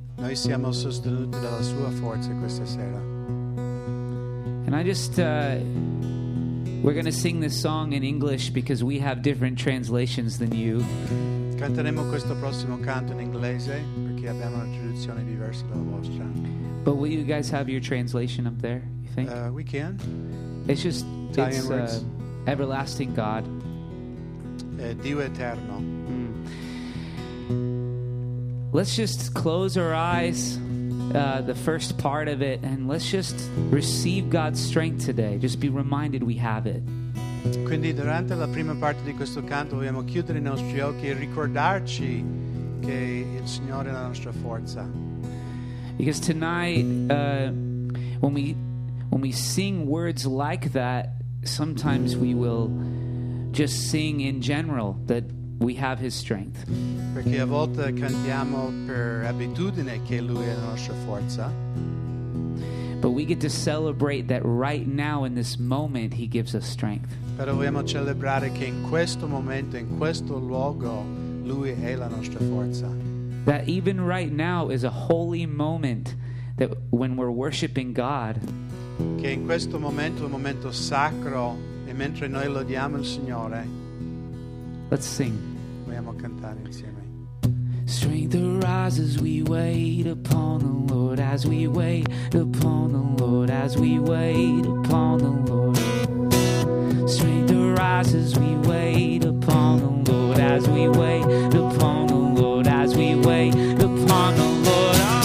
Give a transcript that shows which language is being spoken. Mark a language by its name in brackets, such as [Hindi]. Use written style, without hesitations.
[Italian] Noi siamo sostenuti dalla Sua forza questa sera. [English] And I just, we're going to sing this song in English because we have different translations than you. [Italian] Canteremo questo prossimo canto in inglese perché abbiamo una traduzione diversa dalla vostra. [English] But will you guys have your translation up there, you think? We can. It's just, it's Everlasting God. [Italian] Dio Eterno. [English] Let's just close our eyes, the first part of it, and let's just receive God's strength today. Just be reminded we have it. [Italian] Quindi durante la prima parte di questo canto vogliamo chiudere I nostri occhi e ricordarci che il Signore è la nostra forza. [English] Because tonight, when we sing words like that, sometimes we will just sing in general that we have His strength. [Italian] Perché a volte cantiamo per abitudine che Lui è la nostra forza. [English] But we get to celebrate that right now in this moment He gives us strength. [Italian] Però vogliamo celebrare che in questo momento, in questo luogo, Lui è la nostra forza. [English] That even right now is a holy moment that when we're worshiping God. [Italian] Che in questo momento è un momento sacro e mentre noi lodiamo il Signore. [English] Let's sing. [Italian] Vogliamo cantare insieme. [English] Strength arises, we wait upon the Lord as we wait upon the Lord as we wait upon the Lord. Strength arises, we wait upon the Lord as we wait upon the Lord as we wait upon the Lord.